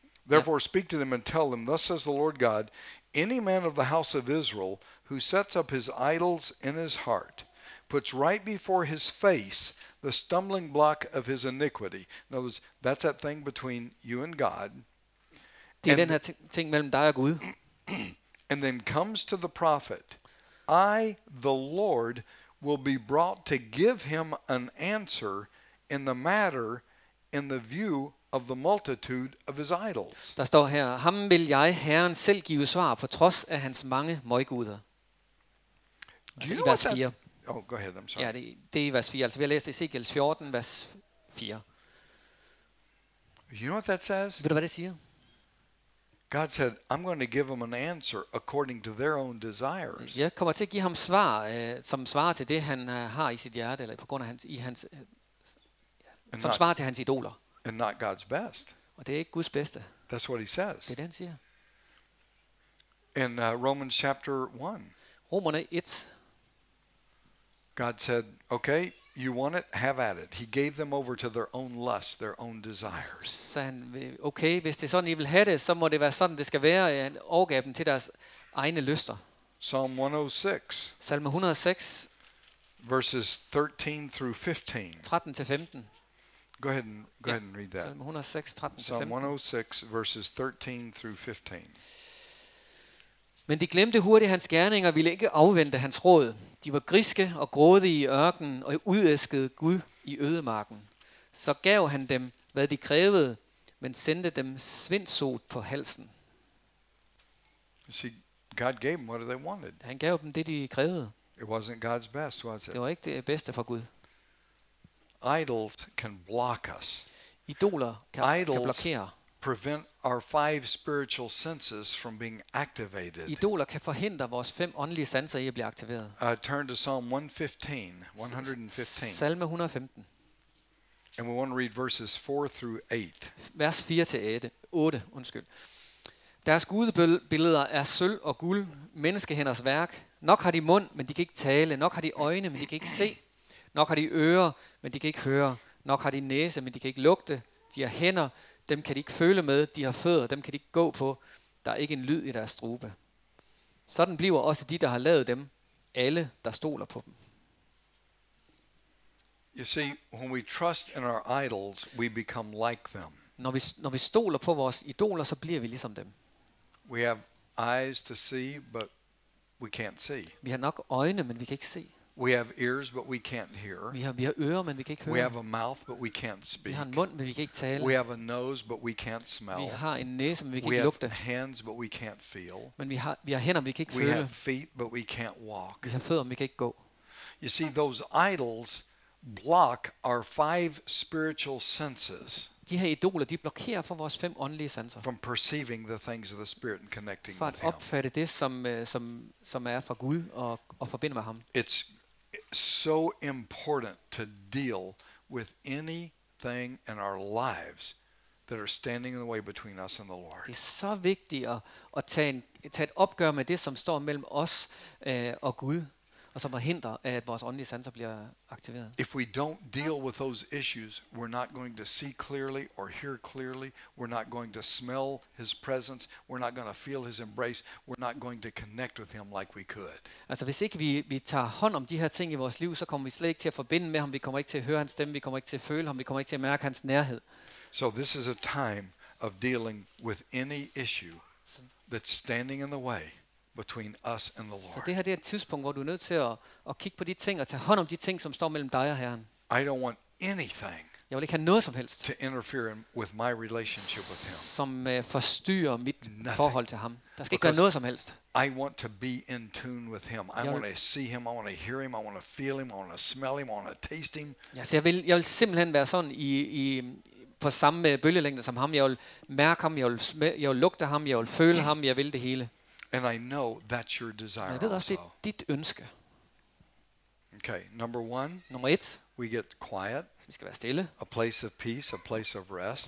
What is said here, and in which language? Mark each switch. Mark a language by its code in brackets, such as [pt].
[en] Therefore speak to them and tell them, thus says the Lord God, any man of the house of Israel who sets up his idols in his heart, puts right before his face the stumbling block of his iniquity. In other words, that's that thing between you and God. [da] Det er den her ting mellem dig og Gud. [en] And then comes to the prophet. I, the Lord, will be brought to give him an answer in the matter in the view of the multitude of his idols. [da] Der står her, ham vil jeg, Herren, selv give svar på trods af hans mange møjguder. [en] Do you know what that, Oh, go ahead, I'm sorry. [da] Ja, det er vers 4. Altså, vi har læst Ezekiel 14, vers 4. [en] You know what that says? [da] Ved du, hvad det siger? [en] God said, I'm going to give them an answer according to their own desires. [da] Jeg kommer til at give ham svar, som svarer til det, han har i sit hjerte, eller på grund af hans, i hans, som svarer til hans idoler. [en] And not God's best. [da] Og det er ikke Guds bedste. [en] That's what he says. [da] Det er det, han siger. [en] In Romans chapter 1. [da] Romerne 1. [en] God said, okay, you want it, have at it. He gave them over to their own lust, their own desires. [da] Så han, okay, hvis det er sådan, I vil have det, så må det være sådan, det skal være, at han overgav dem til deres egne lyster. [en] Psalm 106. [da] Salme 106. [en] Verses 13 through 15. [da] 13-15. [en] Go ahead and read that. Psalm 106, 13 [da] til 15. [en] Psalm 106, verses 13 through 15. [da] Men de glemte hurtigt hans gerninger og ville ikke afvente hans råd. De var griske og grådige i ørkenen og udæskede Gud i ødemarken. Så gav han dem, hvad de krævede, men sendte dem svindsot på halsen. [en] See, God gave them what they wanted. [da] Han gav dem det, de krævede. [en] It wasn't God's best, was it? [da] Det var ikke det bedste for Gud. [en] Idols can block us. [da] Idoler kan blokere. [en] Prevent our five spiritual senses from being activated. [da] Idoler kan forhindre vores fem åndelige sanser i at blive aktiveret. [en] Turn to Psalm 115. [da] Salme 115. [en] And we want to read verses 4 through 8. [da] Vers 4-8. Deres gudebilleder er sølv og guld, menneskehænders værk. Nok har de mund, men de kan ikke tale. Nok har de øjne, men de kan ikke se. Nok har de ører, men de kan ikke høre. Nok har de næse, men de kan ikke lugte. De har hænder, dem kan de ikke føle med. De har fødder, dem kan de ikke gå på. Der er ikke en lyd i deres strube. Sådan bliver også de, der har lavet dem, alle, der stoler på dem. [en] You see, when we trust in our idols, we become like them. [da] Når vi stoler på vores idoler, så bliver vi ligesom dem. [en] We have eyes to see, but we can't see. [da] Vi har nok øjne, men vi kan ikke se. [en] We have ears, but we can't hear. [da] Vi har ører, men vi kan ikke høre. [en] We have a mouth, but we can't speak. [da] Vi har en mund, men vi kan ikke tale. [en] We have a nose, but we can't smell. [da] Vi har en næse, men vi kan ikke lugte. [en] We have hands, but we can't feel. [da] Men vi har hænder, men vi kan ikke [en] we [da] føle. [en] We have feet, but we can't walk. [da] Vi har fødder, men vi kan ikke gå. [en] You see, those idols block our five spiritual senses. [da] De her idoler, de blokerer for vores fem åndelige sanser. [en] From perceiving the things of the spirit and connecting with him. [da] For at opfatte det, som er fra Gud og forbinde med ham. [en] It's so important to deal with anything in our lives that are standing in the way between us and the Lord. [da] Det er så vigtigt at tage et opgør med det, som står mellem os og Gud, og som forhindrer, at vores åndelige sanser bliver aktiveret. [en] If we don't deal with those issues, we're not going to see clearly or hear clearly. We're not going to smell his presence. We're not going to feel his embrace. We're not going to connect with him like we could. [da] Altså, hvis ikke vi tager hånd om de her ting i vores liv, så kommer vi slet ikke til at forbinde med ham. Vi kommer ikke til at høre hans stemme. Vi kommer ikke til at føle ham. Vi kommer ikke til at mærke hans nærhed. [en] So this is a time of dealing with any issue that's standing in the way between us and the Lord. [da] Så det her er et tidspunkt, hvor du er nødt til at kigge på de ting og tage hånd om de ting, som står mellem dig og Herren. [en] I don't want anything. [da] Jeg vil ikke have noget som helst. [en] To interfere with my relationship with him. [da] Som forstyrrer mit forhold til ham. Der skal ikke være noget som helst. [en] I want to be in tune with him. I want to see him, I want to hear him, I want to feel him, I want to smell him, I want to taste him. [da] Ja, så jeg vil simpelthen være sådan i på samme bølgelængde som ham. Jeg vil mærke ham, jeg vil lugte ham, jeg vil føle ham, jeg vil det hele. [en] And I know that's your desire. [da] Det er også dit ønske. [en] Okay, number one. [da] Nummer et. [en] We get quiet. [da] Vi skal være stille. [en] A place of peace, a place of rest.